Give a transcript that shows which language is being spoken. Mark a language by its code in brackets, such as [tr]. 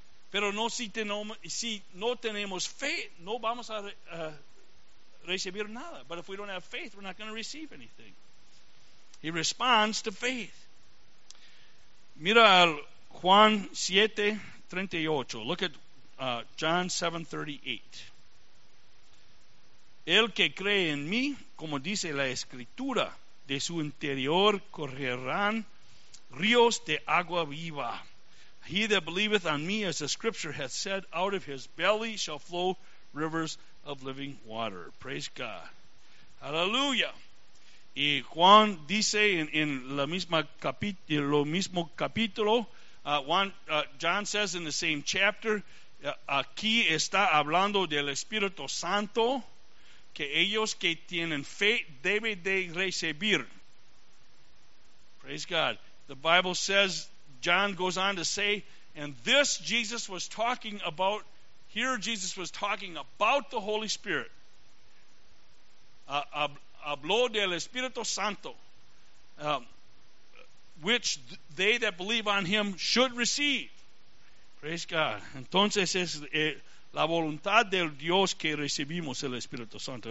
[es] Pero no, si no tenemos fe, no vamos a recibir nada. [en] But if we don't have faith, we're not going to receive anything. He responds to faith. [es] Mira al Juan 7:38. [en] Look at John 7:38. [es] El que cree en mí, como dice la Escritura, de su interior correrán ríos de agua viva. [en] He that believeth on me, as the scripture hath said, out of his belly shall flow rivers of living water. [es] Praise God. Hallelujah. Y Juan dice en la misma capítulo, mismo capítulo, [en] John says in the same chapter, [es] aquí está hablando del Espíritu Santo, que ellos que tienen fe deben de recibir. Praise God. [en] The Bible says, John goes on to say, and this Jesus was talking about, here Jesus was talking about the Holy Spirit. [es] Habló del Espíritu Santo. [en] which they that believe on him should receive. Praise God. [es] Entonces es la voluntad del Dios que recibimos el Espíritu Santo.